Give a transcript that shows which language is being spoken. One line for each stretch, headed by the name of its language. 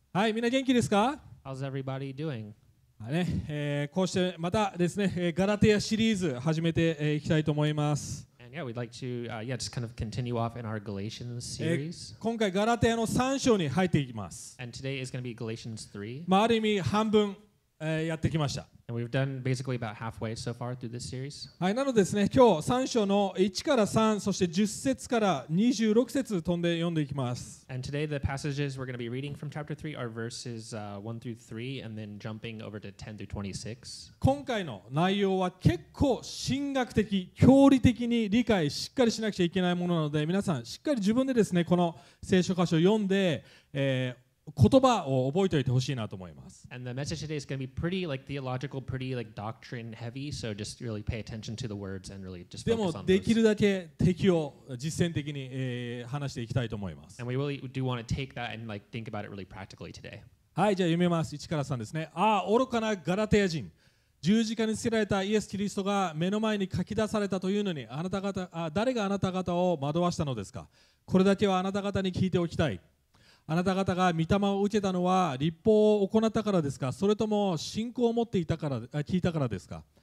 Japanese: はい、みんな元気ですか?
English: How's everybody doing?、
Japanese: はいね、こうしてまたですね、ガラテヤシリーズ始めていきたいと思います。
English: And yeah, we'd like to, yeah, just kind of continue off in our Galatians series.
Japanese: 今回ガラテヤの3章に入っていきます。
English: And today is going to be Galatians 3.
Japanese: まあ、ある意味半分、やってきました。
English: And we've done basically about halfway so far through this series.
Japanese: はい、なのでですね、今日3章の1から3、そして10節から26節飛んで読んでいきます。
English: And today the passages we're going to be reading from chapter 3 are verses 1 through 3 and then jumping over to 10 through 26.
Japanese: 今回の内容は結構神学的、教理的に理解しっかりしなくちゃいけないものなので、皆さんしっかり自分でですね、この聖書箇所を読んで、言葉を覚えておいてほしいなと思います。
English: And the message today is going to be pretty like theological, pretty like doctrine heavy, so just really pay attention to the words and really just focus on those.
Japanese: でもできるだけ適用、実践的に、話していきたいと思います。
English: And we really do want to take that and like think about it really practically today.
Japanese: はい、じゃあ読みます。1から3ですね。ああ、愚かなガラテヤ人。十字架につけられたイエス・キリストが目の前に書き出されたというのに、あなた方、誰があなた方を惑わしたのですか。これだけはあなた方に聞いておきたい。あなた方が御霊を受けたのは律法を行ったからですか、それとも信仰を持っていたから聞いたからですか。